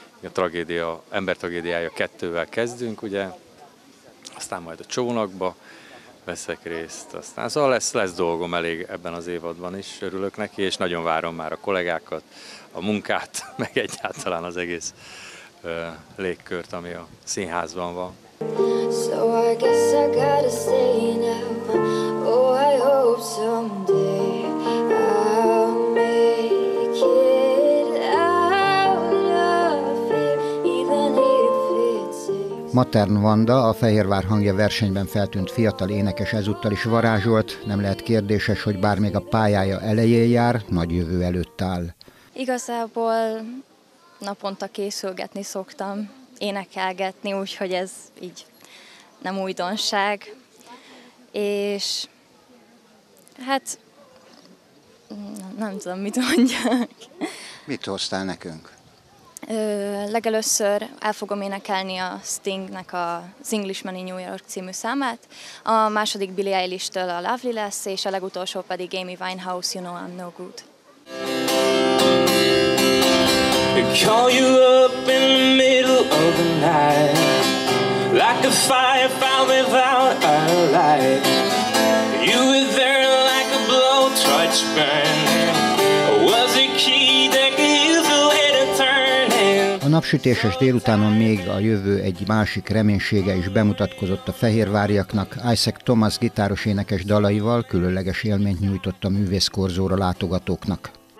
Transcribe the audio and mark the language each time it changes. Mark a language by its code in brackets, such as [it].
[hu] A tragédia, Ember tragédiája 2-vel kezdünk, ugye, aztán majd a Csónakba veszek részt, aztán szóval lesz dolgom elég ebben az évadban is, örülök neki, és nagyon várom már a kollégákat, a munkát, meg egyáltalán az egész légkört, ami a színházban van. [en] So I guess I gotta stay now. Oh, I hope someday I'll make it out of here, even if it's safe. [hu] Matern Vanda, a Fehérvár hangja versenyben feltűnt fiatal énekes ezúttal is varázsolt. Nem lehet kérdéses, hogy bár még a pályája elején jár, nagy jövő előtt áll. Igazából naponta készülgetni szoktam, énekelgetni, úgyhogy ez így nem újdonság, és hát nem tudom, mit mondjak. Mit hoztál nekünk? Legelőször el fogom énekelni a Stingnek az Englishman in New York című számát, a második Billie Eilish-től a Lovely lesz, és a legutolsó pedig Amy Winehouse, You Know I'm No Good. [en] Call you up in the middle of the night. like a fire found without a light. You were there like a blowtorch burning. [hu] A napsütéses délutánon még a jövő egy másik reménysége is bemutatkozott a fehérváriaknak. Isaac Thomas gitáros énekes dalaival különleges élményt nyújtott a művészkorzóra látogatóknak.